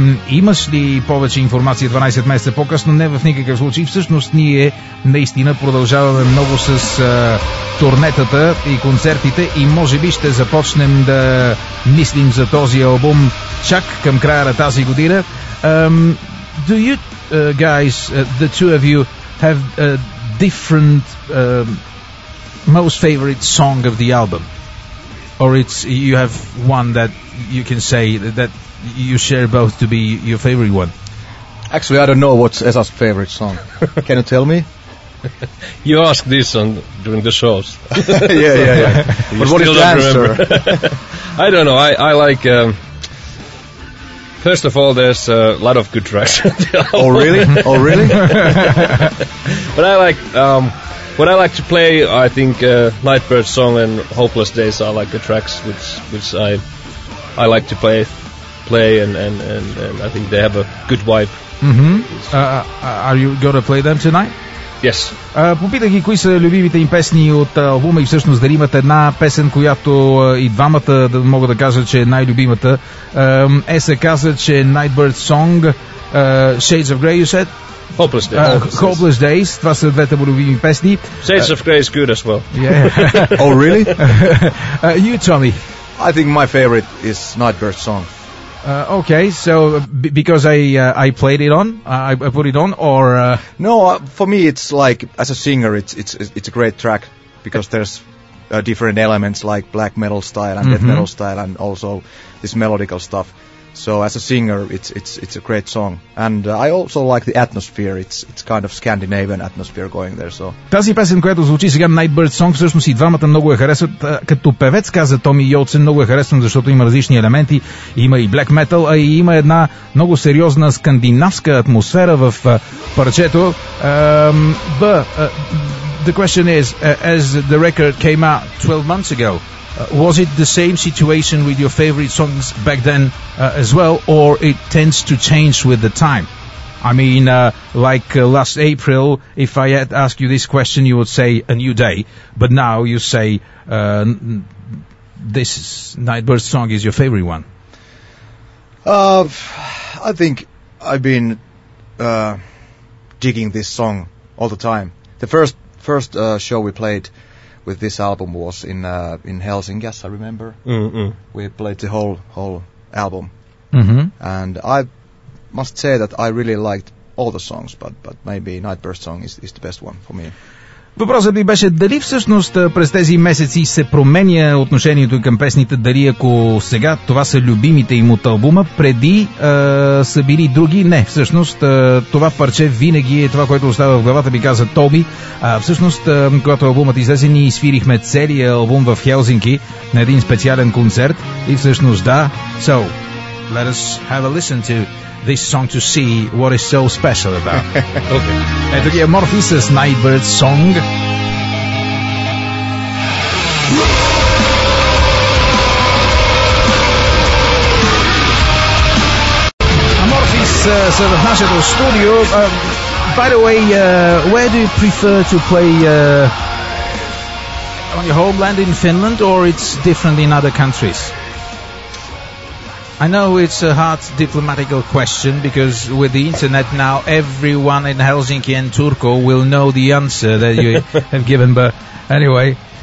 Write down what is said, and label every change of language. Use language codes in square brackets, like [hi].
[bg] Имаш ли повече информация 12 месеца по-късно? Не, в никакъв случай. Всъщност ние наистина продължаваме много с турнетата и концертите и може би ще започнем да мислим за този албум чак към края на тази година. [en] Do you guys, the two of you, have a different... most favorite song of the album, or it's you have one that you can say that you share both to be your favorite one? Actually, I don't know what's Esa's favorite song. Can you tell me? You ask this on during the shows. yeah. But what is the answer? I don't know. I like first of all, there's a lot of good tracks. Oh really? But I like what I like to play, I think Nightbird Song and Hopeless Days are like the tracks which I like to play and I think they have a good vibe. Are you going to play them tonight? Yes. [bg] Попитах ги кои са любимите им песни от албума и всъщност дали имат една песен, която и двамата да мога да кажа, че е най-любимата. Еса каза, че Nightbird Song, Shades of Grey, [en] you said? Hopeless Days. [bg] Hopeless Days. Това са двете боровими песни. [en] Shades of Grey is good as well. Yeah. Oh, really? You, Tommy. I think my favorite is Nightbird's song. Okay, so because I played it on, I put it on, or no? For me, it's like as a singer, it's a great track because there's different elements like black metal style and death metal style, and also this melodical stuff. So as a singer, it's a great song, and I also like the atmosphere. It's kind of Scandinavian atmosphere going there. So [bg] тази песен, която звучи сега, Nightbird Song, всъщност и двамата много я харесват. Като певец, каза Томи Йолсен, много я харесвам, защото има различни елементи, има и black metal, а и има една много сериозна скандинавска атмосфера в парчето. [en] The question is, as the record came out 12 months ago, was it the same situation with your favorite songs back then as well, or it tends to change with the time? I mean, like last April, if I had asked you this question, you would say A New Day, but now you say this Nightbird song is your favorite one. I think I've been digging this song all the time. The first show we played with this album was in Helsinki, I remember. We played the whole album. And I must say that I really liked all the songs, but maybe Nightbird Song is the best one for me. [bg] Въпросът ми беше дали всъщност през тези месеци се променя отношението към песните, дали ако сега това са любимите им от албума, преди са били други. Не, всъщност това парче винаги е това, което остава в главата ми, каза Тоби. Всъщност, когато албумът излезе, ние свирихме целият албум в Хелзинки на един специален концерт. И всъщност да. [en] So, let us have a listen to this song to see what is so special about. Okay. And here, Morpheus' Nightbird Song. [bg] Morpheus, в нашето студио. [en] By the way, where do you prefer to play? On your homeland in Finland, or it's different in other countries? I know it's a hard diplomatical question, because with the internet now, everyone in Helsinki and Turku will know the answer that you have given, but anyway.